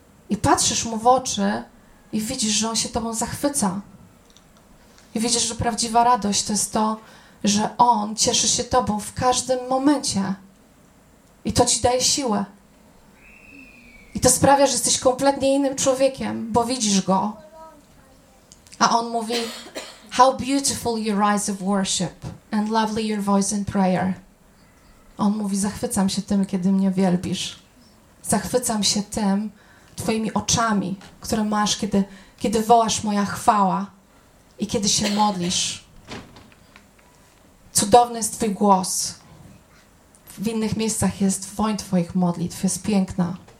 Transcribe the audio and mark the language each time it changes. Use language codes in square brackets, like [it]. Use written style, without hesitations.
[pl] I patrzysz mu w oczy i widzisz, że on się tobą zachwyca. I widzisz, że prawdziwa radość to jest to, że on cieszy się tobą w każdym momencie. I to ci daje siłę. I to sprawia, że jesteś kompletnie innym człowiekiem, bo widzisz go. A on mówi, [en] how beautiful your eyes of worship and lovely your voice in prayer. [pl] On mówi, zachwycam się tym, kiedy mnie wielbisz. Zachwycam się tym, twoimi oczami, które masz, kiedy wołasz moja chwała i kiedy się modlisz. Cudowny jest twój głos. W innych miejscach jest woń twoich modlitw, jest piękna.